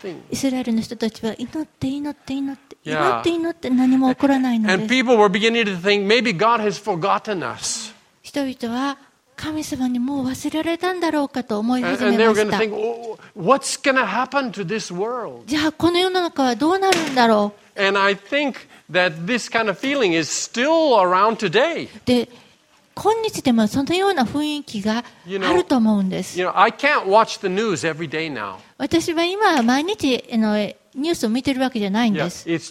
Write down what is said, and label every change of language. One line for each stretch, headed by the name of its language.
Japanese: イスラエルの人たちは祈って祈って祈って祈って祈って何も起こらないのです。
English: And people were beginning to think maybe God has forgotten us.
Japanese: 人々は神様にもう忘れられたんだろうかと思い始めました。
English: And what's going to happen to this world?
Japanese: じゃあこの世の中はどうなるんだろう。
English: And I think that this kind of feeling is still around today.
Japanese: で今日でもそのような雰囲気があると思うんです。私は今毎日のニュースを見てるわけじゃないんです。